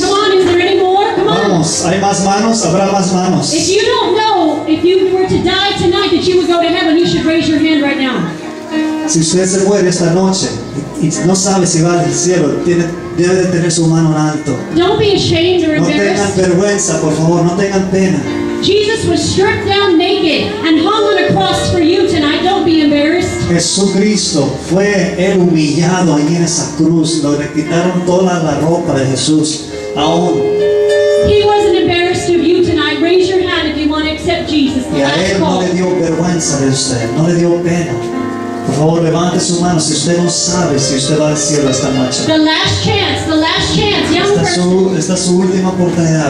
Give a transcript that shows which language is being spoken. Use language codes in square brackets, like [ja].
[en] Come on, is there any more? Come on. [es] Vamos, hay más manos. Habrá más manos. [en] If you don't know if you were to die tonight that you would go to heaven, you should raise your hand right now. [es] Si usted se muere esta noche y no sabe si va al cielo, debe de tener su mano en alto. [en] Don't be ashamed or embarrassed. [es] No tengan vergüenza, por favor, no tengan pena. [en] Jesus was stripped down naked and hung on a cross for you tonight. Don't be embarrassed. [es] Jesucristo fue el humillado ahí en esa cruz. Le quitaron toda la ropa de Jesús. Aún. [en] He wasn't embarrassed of you tonight. Raise your hand if you want to accept Jesus. [es] Y a él no le dio vergüenza de usted. No le dio pena. Por favor, levante su mano si usted no sabe si usted va al cielo esta noche. [en] The last chance, the last chance, young person. [es] Esta es su última oportunidad.